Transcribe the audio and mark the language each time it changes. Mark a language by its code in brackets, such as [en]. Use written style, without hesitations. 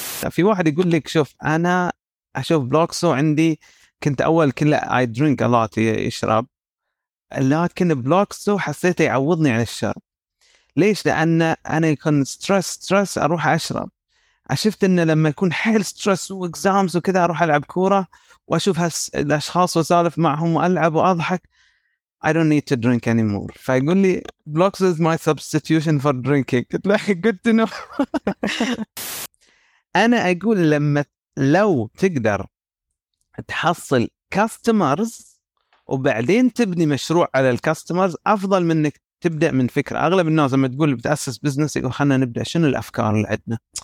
[ar] في واحد يقول لك شوف أنا أشوف بلوكسو عندي، كنت أول كله [en] I drink a lot، [ar] يشرب، لكن بلوكسو حسيته يعوضني على الشرب. ليش؟ لأن أنا يكون stress أروح أشرب. أشفت إنه لما يكون حيل stress وexams وكذا أروح ألعب كورة وأشوف هالأشخاص وسالف معهم وألعب وأضحك، [en] I don't need to drink anymore. [ar] فيقول لي [en] blocks is my substitution for drinking. [ar] قلت له [en] good to know. [ar] أنا أقول لما لو تقدر تحصل customers وبعدين تبني مشروع على الكاستمرز أفضل منك تبدأ من فكرة. أغلب الناس لما تقول بتأسس بزنس يقول خلنا نبدأ شنو الأفكار اللي عندنا.